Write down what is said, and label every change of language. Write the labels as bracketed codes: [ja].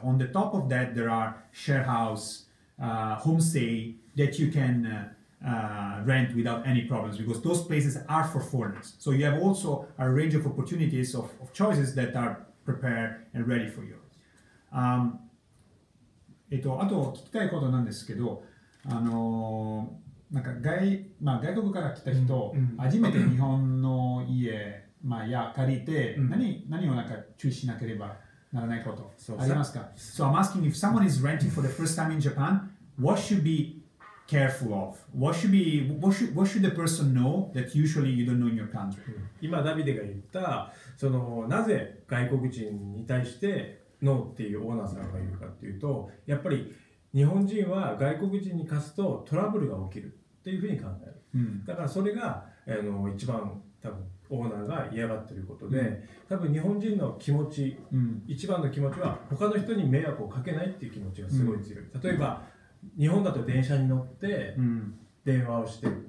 [en] On the top of that, there are share house, homestay that you can rent without any problems, because those places are for foreigners. So you have also a range of opportunities of choices that are prepared and ready for you. [ja] あと聞きたいことなんですけど、なんか 外国から来た人、初めて日本の家、まあ、や借りて、何をなんか注意しなければならないことありますか？ [en] So I'm asking if someone is renting for the first time in Japan, what should be careful of? What should the person know that usually you don't know in your country? [ja] 今ダビデが言った、そのなぜ外国人に対してノーっていうオーナーさんが言うかっていうと、やっぱり日本人は外国人に貸すとトラブルが起きるっていうふうに考える、だからそれが一番多分オーナーが嫌がってることで、多分日本人の気持ち、一番の気持ちは他の人に迷惑をかけないっていう気持ちがすごい強い、例えば、日本だと電車に乗って電話をして、